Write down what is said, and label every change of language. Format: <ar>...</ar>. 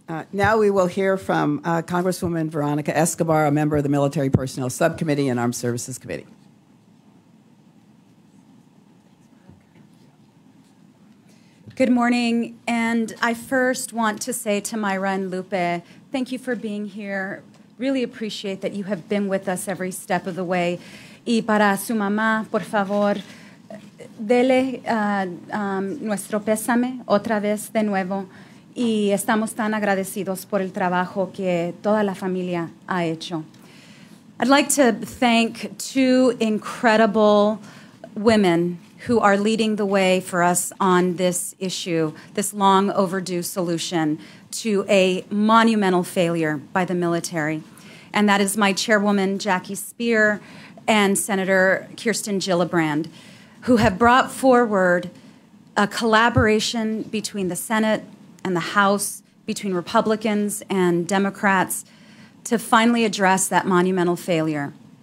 <en>Now we will hear from Congresswoman Veronica Escobar, a member of the Military Personnel Subcommittee and Armed Services Committee. Good morning, and I first want to say to Myron Lupe, thank you for being here. Really appreciate that you have been with us every step of the way.</en> <es>Y para su mamá, por favor, dele nuestro pésame otra vez de nuevo. Y estamos tan agradecidos por el trabajo que toda la familia ha hecho.</es> <en>I'd like to thank two incredible women who are leading the way for us on this issue, this long overdue solution to a monumental failure by the military. And that is my chairwoman, Jackie Speier, and Senator Kirsten Gillibrand, who have brought forward a collaboration between the Senate and the House, between Republicans and Democrats, to finally address that monumental failure.</en>